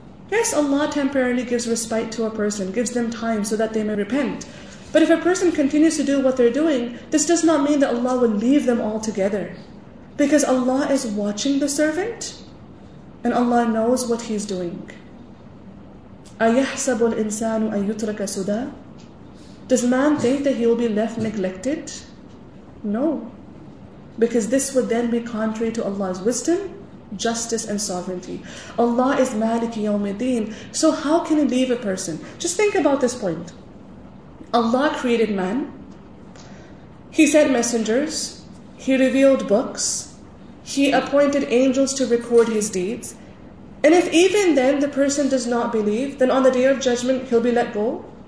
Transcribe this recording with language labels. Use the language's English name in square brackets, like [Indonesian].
[English] Yes, Allah temporarily gives respite to a person, gives them time so that they may repent. But if a person continues to do what they're doing, this does not mean that Allah will leave them altogether. Because Allah is watching the servant, and Allah knows what he's doing. [Arabic] أَيَحْسَبُ الْإِنسَانُ أَن يُتْرَكَ سُدَى. [English] Does man think that he will be left neglected? No. Because this would then be contrary to Allah's wisdom, justice and sovereignty. Allah is [Arabic] مالك يوم الدين. [English] So how can he leave a person? Just think about this point. Allah created man. He sent messengers. He revealed books. He appointed angels to record his deeds. And if even then the person does not believe, then on the Day of Judgment he'll be let go.